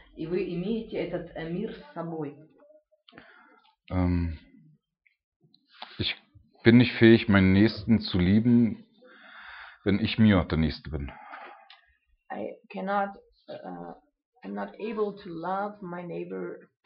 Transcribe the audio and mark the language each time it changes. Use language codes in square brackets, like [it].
[ru] И вы имеете этот мир с собой. [de] Ich bin nicht fähig, meinen Nächsten zu lieben, wenn ich mir der Nächste bin. [en] I cannot, I'm not able to love my neighbor.